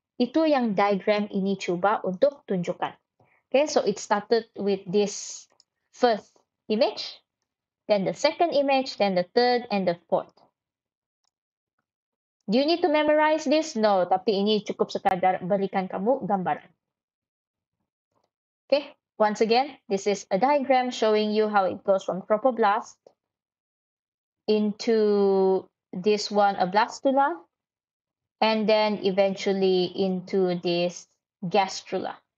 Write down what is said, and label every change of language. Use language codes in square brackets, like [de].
[ms] Itu yang diagram ini cuba untuk tunjukkan. [en] Okay, so it started with this first image, then the second image, then the third, and the fourth. Do you need to memorize this? [ms] No, tapi ini cukup sekadar berikan kamu gambaran. [en] Okay, once again, this is a diagram showing you how it goes from trophoblast into this one, a blastula, and then eventually into this gastrula.